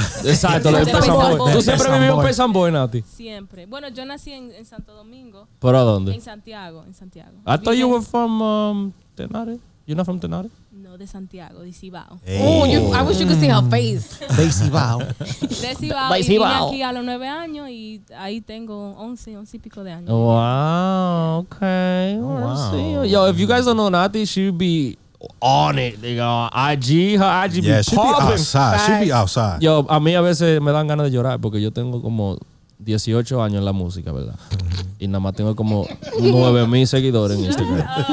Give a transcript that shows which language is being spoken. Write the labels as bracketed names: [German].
[Spanish] Exacto, de Pesamboy. Tú siempre vivió en Pesamboy, Nati. Siempre. Bueno, yo nací en Santo Domingo. ¿Pero dónde? En Santiago. [English] I thought you were from Tenare. You're not from Tenare? [Spanish] No, de Santiago, de Cibao. [English] Hey. Oh, I wish you could see her face. [Spanish] De Cibao. Vine aquí a los 9 años y ahí tengo 11 y pico de años. [English] Wow, okay. Oh, wow. See you. Yo, if you guys don't know Nati, she would be on it, nigga. IG, her IG be popping. Yeah, she be outside. [Spanish] Yo, a mí a veces me dan ganas de llorar porque yo tengo como 18 años en la música, ¿verdad? Y nada más tengo como 9,000 seguidores en Instagram.